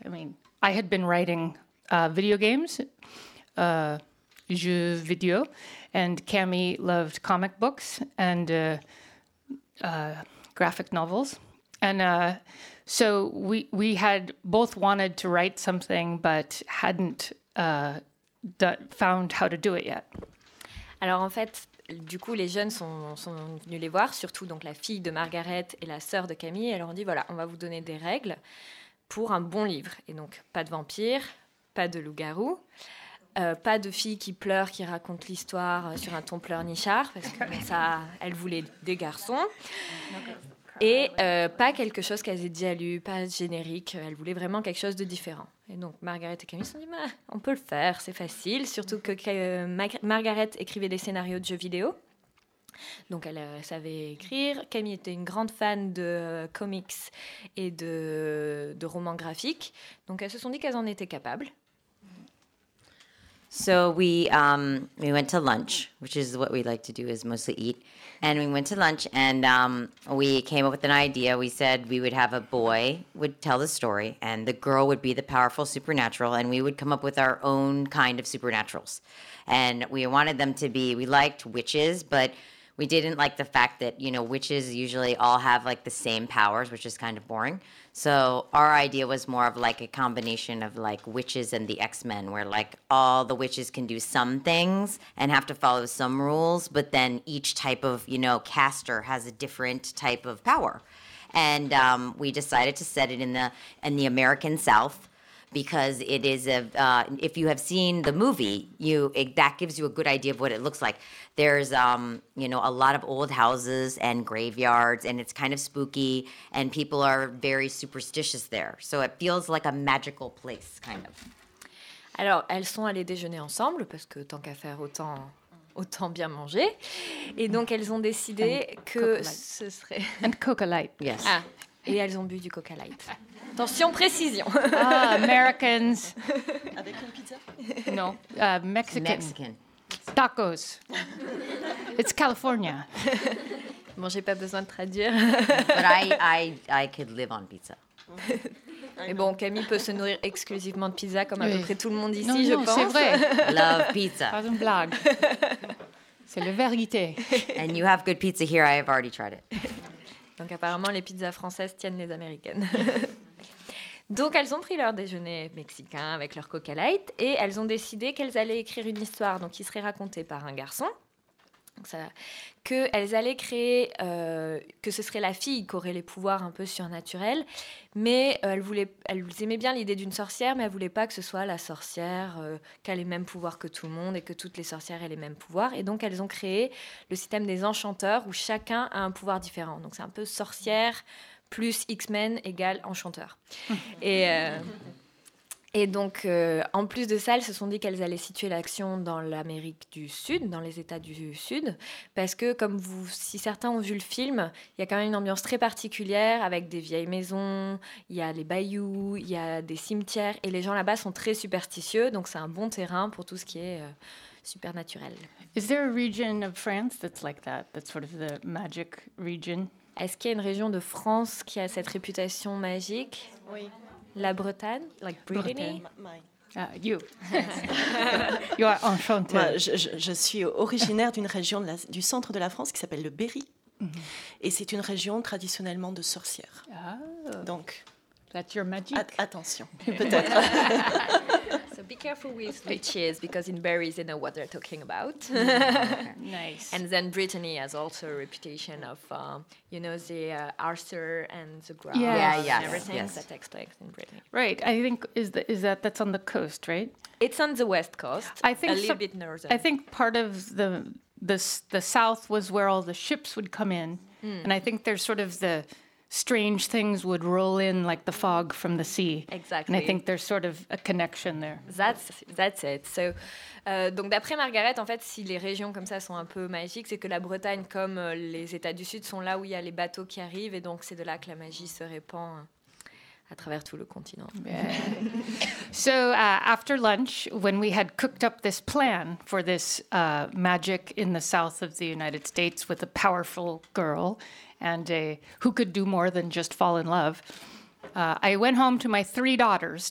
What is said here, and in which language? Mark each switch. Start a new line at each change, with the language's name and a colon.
English: I mean, I had been writing video games,
French: jeux vidéo,
English: and Cami loved comic books and graphic novels. And so we had both wanted to write something, but hadn't found how to do it yet.
French: Alors en fait, du coup, les jeunes sont venus les voir, surtout donc la fille de Margaret et la sœur de Camille. Elles leur ont dit, voilà, on va vous donner des règles pour un bon livre. Et donc, pas de vampires, pas de loups-garous, pas de filles qui pleurent, qui racontent l'histoire sur un ton pleurnichard, parce que ben, ça, elles voulaient des garçons. Et pas quelque chose qu'elles aient déjà lu, pas générique. Elles voulaient vraiment quelque chose de différent. Et donc, Margaret et Camille se sont dit, bah, on peut le faire, c'est facile. Surtout que Margaret écrivait des scénarios de jeux vidéo. Donc, elle savait écrire. Camille était une grande fan de comics et de romans graphiques. Donc, elles se sont dit qu'elles en étaient capables.
English: So we went to lunch, which is what we like to do, is mostly eat. And we went to lunch, and we came up with an idea. We said we would have a boy would tell the story, and the girl would be the powerful supernatural, and we would come up with our own kind of supernaturals. And we wanted them to be, we liked witches, but we didn't like the fact that, you know, witches usually all have, like, the same powers, which is kind of boring. So our idea was more of, like, a combination of, like, witches and the X-Men, where, like, all the witches can do some things and have to follow some rules, but then each type of, you know, caster has a different type of power. And we decided to set it in the American South. Because it is a, if you have seen the movie, that gives you a good idea of what it looks like. There's, you know, a lot of old houses and graveyards, and it's kind of spooky, and people are very superstitious there. So it feels like a magical place, kind of.
French: Alors, elles sont allées déjeuner ensemble, parce que tant qu'à faire, autant bien manger. Et donc, elles ont décidé que ce serait...
English: And Coca Light, yes. Ah.
French: Et elles ont bu du Coca Light. Attention, précision.
English: Ah, Americans.
French: Avec une pizza?
English: Non. Mexican. Tacos. It's California.
French: Bon, j'ai pas besoin de traduire.
English: But I could live on pizza.
French: Mais bon, Camille peut se nourrir exclusivement de pizza, comme à peu près tout le monde ici, non, je non, pense. C'est vrai.
English: Love pizza.
French: Pas une blague. C'est la vérité.
English: And you have good pizza here, I have already tried it.
French: Donc apparemment, les pizzas françaises tiennent les américaines. Donc elles ont pris leur déjeuner mexicain avec leur Coca Light et elles ont décidé qu'elles allaient écrire une histoire donc qui serait racontée par un garçon. Donc ça, qu'elles allaient créer, que ce serait la fille qui aurait les pouvoirs un peu surnaturels, mais elles aimaient bien l'idée d'une sorcière, mais elles ne voulaient pas que ce soit la sorcière qui a les mêmes pouvoirs que tout le monde et que toutes les sorcières aient les mêmes pouvoirs. Et donc, elles ont créé le système des enchanteurs où chacun a un pouvoir différent. Donc, c'est un peu sorcière plus X-Men égale enchanteur. Et donc, en plus de ça, elles se sont dit qu'elles allaient situer l'action dans l'Amérique du Sud, dans les États du Sud, parce que, si certains ont vu le film, il y a quand même une ambiance très particulière avec des vieilles maisons, il y a les bayous, il y a des cimetières, et les gens là-bas sont très superstitieux, donc c'est un bon terrain pour tout ce qui est supernaturel.
English: Is there a region of France that's like that, that's sort of the magic region?
French: Est-ce qu'il y a une région de France qui a cette réputation magique? Oui. La Bretagne,
English: like Brittany. My. You are enchanté.
French: Moi, je suis originaire d'une région du centre de la France qui s'appelle le Berry. Mm-hmm. Et c'est une région traditionnellement de sorcières. Oh. Donc,
English: that's your magic.
French: Attention, peut-être.
English: So be careful with witches, because in Berry they know what they're talking about. Nice. And then Brittany has also a reputation of, you know, the Arthur and the Grove. Yeah, yeah, yes. Everything yes. that takes place in Brittany. Right. I think that's on the coast, right? It's on the west coast. I think a little bit northern. I think part of the south was where all the ships would come in, and I think there's sort of the strange things would roll in like the fog from the sea. Exactly. And I think there's sort of a connection there. That's it.
French: So, donc d'après Margaret, en fait, si les régions comme ça sont un peu magiques, c'est que la Bretagne, comme les États du Sud, sont là où il y a les bateaux qui arrivent, et donc c'est de là que la magie se répand à travers tout le continent.
English: Yeah. So after lunch, when we had cooked up this plan for this magic in the south of the United States with a powerful girl and a who could do more than just fall in love, I went home to my three daughters.